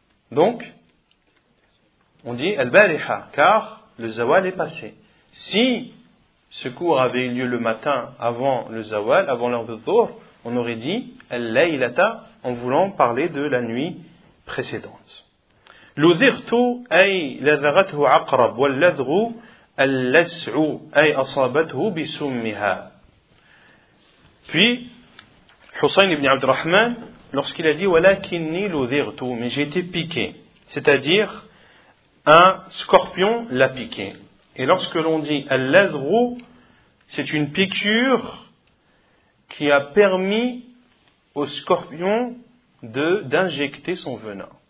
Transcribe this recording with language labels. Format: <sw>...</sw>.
<fr>Donc, on dit al-bariha car le zawal est passé. Si ce cours avait eu lieu le matin avant le zawal, avant l'heure de dhuhr, on aurait dit al-laylata en voulant parler de la nuit précédente.</fr> <ar>لذغتو أي لذغته عقرب واللذغ اللسع أي أصابته بسمها.</ar> <fr>Puis حسين بن عبد الرحمن lorsqu'il a dit</fr> <ar>ولكني لذغتو,</ar> <fr>mais j'ai été piqué, c'est-à-dire un scorpion l'a piqué. Et lorsque l'on dit اللذغ, c'est une piqûre qui a permis au scorpion d'injecter son venin.</fr>